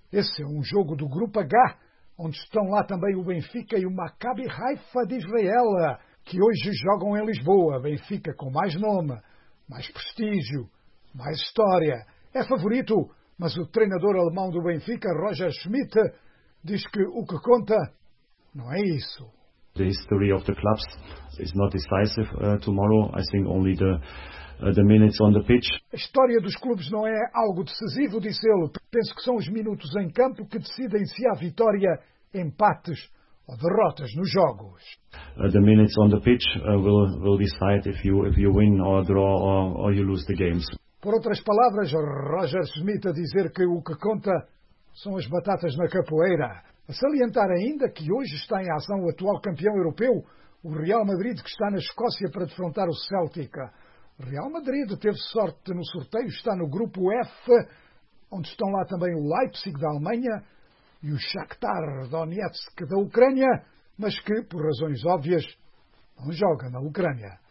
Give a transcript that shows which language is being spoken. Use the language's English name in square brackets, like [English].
[Portuguese] Esse é um jogo do grupo H, onde estão lá também o Benfica e o Maccabi Haifa de Israel, que hoje jogam em Lisboa. Benfica com mais nome, mais prestígio, mais história. É favorito, mas o treinador alemão do Benfica, Roger Schmidt, diz que o que conta não é isso. [English] The history of the clubs is not decisive tomorrow. I think only the minutes on the pitch. [Portuguese] A história dos clubes não é algo decisivo, disse ele. Penso que são os minutos em campo que decidem se há vitória, empates ou derrotas nos jogos. [English] The minutes on the pitch will decide if you win or draw or you lose the games. [Portuguese] Por outras palavras, Roger Smith a dizer que o que conta são as batatas na capoeira. A salientar ainda que hoje está em ação o atual campeão europeu, o Real Madrid, que está na Escócia para defrontar o Celtic. Real Madrid teve sorte no sorteio, está no grupo F, onde estão lá também o Leipzig da Alemanha e o Shakhtar Donetsk da Ucrânia, mas que, por razões óbvias, não joga na Ucrânia.